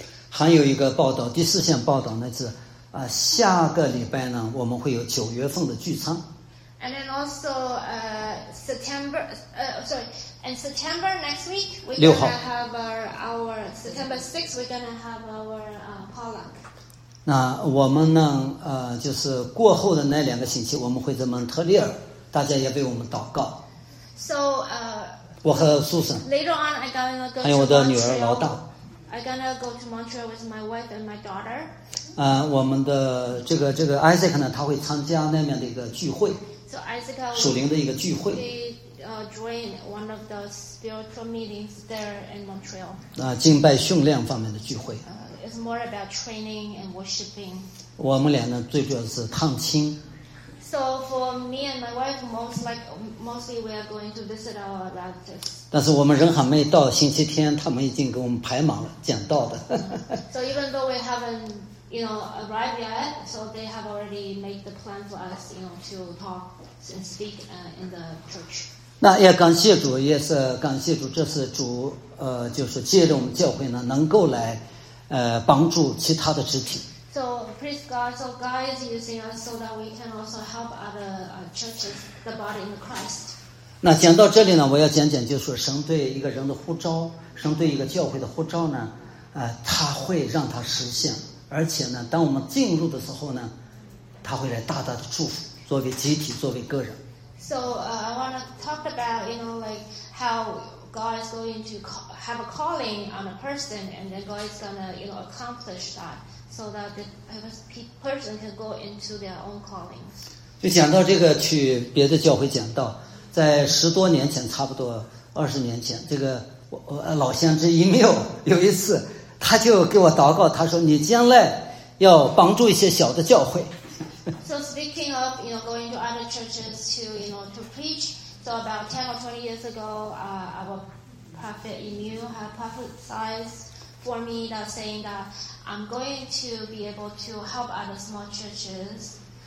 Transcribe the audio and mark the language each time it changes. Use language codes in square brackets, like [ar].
[zh] 还有一个报道，第四项报道呢是啊，下个礼拜呢我们会有九月份的聚餐。 [en] And then also September, sorry, and September next week we're gonna have our September 6th we're gonna have our potluck. [zh] 那我们呢就是过后的那两个星期我们会在蒙特利尔，大家也为我们祷告。 [en] So, [zh] 我和苏珊。 [en] Later on, I'm gonna go to Montreal. [zh] 还有我的女儿劳大。 [en] I'm gonna go to Montreal with my wife and my daughter. [zh] 我们的这个 Isaac 呢，他会参加那边的一个聚会。 [en] So Isaac [zh] 属灵的一个聚会。 [en] Join one of the spiritual meetings there in Montreal. [zh] 敬拜训练方面的聚会。 [en] It's more about training and worshiping. [zh] 我们俩呢，最主要是探亲。 [en] So for me and my wife, mostly we are going to visit our relatives. [zh] 但是我们人还没到星期天，他们已经给我们排满了讲道的。 [en] So even though we haven't, you know, arrived yet, so they have already made the plan for us, you know, to talk and speak in the church. [zh] 那也感谢主，也是感谢主，这是主就是借着我们教会呢，能够来帮助其他的肢体。 [en] So praise God, so God is using us so that we can also help other churches, the body in Christ. [zh] 那讲到这里呢，我要讲讲就是神对一个人的呼召，神对一个教会的呼召呢，他会让他实现，而且呢，当我们进入的时候呢，他会来大大的祝福，作为集体，作为个人。 [en] So I want to talk about, you know, like how God is going to have a calling on a person, and then God is going to, you know, accomplish that. So that the person can go into their own callings. [zh] 就讲到这个，去别的教会讲到，在十多年前，差不多20年前，这个老先知一缪有一次，他就给我祷告，他说你将来要帮助一些小的教会。 [en] So speaking of, you know, going to other churches to, you know, to preach. So about 10 or 20 years ago, our prophet Emu had prophesied for me that saying that I'm going to be able to help other small churches.